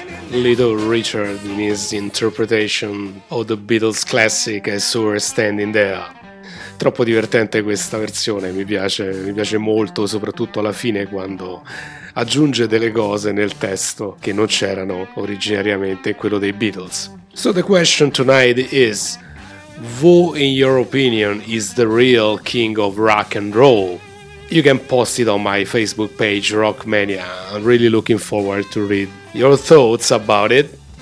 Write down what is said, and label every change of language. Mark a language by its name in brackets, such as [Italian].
[English] Little Richard in his interpretation of the Beatles classic As We're Standing There. [Italian] Troppo divertente questa versione, mi piace molto, soprattutto alla fine quando aggiunge delle cose nel testo che non c'erano originariamente in quello dei Beatles. [English] So the question tonight is, who in your opinion is the real king of rock and roll? You can post it on my Facebook page Rockmania. I'm really looking forward to read your thoughts about it.